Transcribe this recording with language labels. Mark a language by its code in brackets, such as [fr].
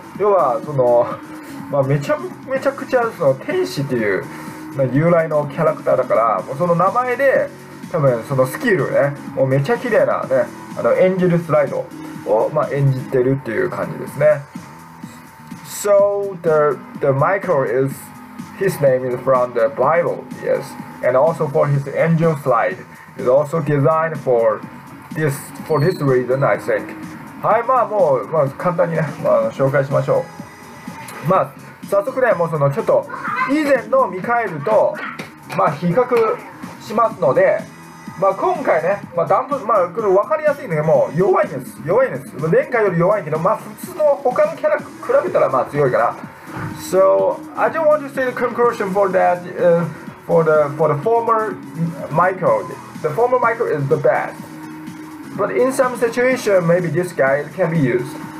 [ja] 要はその、まあ、めちゃくちゃその天使という、まあ、由来のキャラクターだから、もうその名前で多分そのスキルね、もうめちゃ綺麗なね、エンジェルスライドを、まあ、演じてるっていう感じですね。 [en] So the Michael is his name is from the Bible, yes, and also for his angel slide is also designed for this reason, I think. [ja] はい、まあもう、まあ、簡単にね、まあ、紹介しましょう。まあ早速ね、もうそのちょっと以前のミカエルとまあ比較しますので、まあ今回ね、まあダンプ、まあこれ分かりやすいんだけど、もう弱いんです。弱いんです。まあ、前回より弱いけど、まあ普通の他のキャラ比べたらまあ強いから。 [en] So, I just want to say the conclusion for that,、for the former Michael. The former Michael is the best. But in some situation, maybe this guy can be used.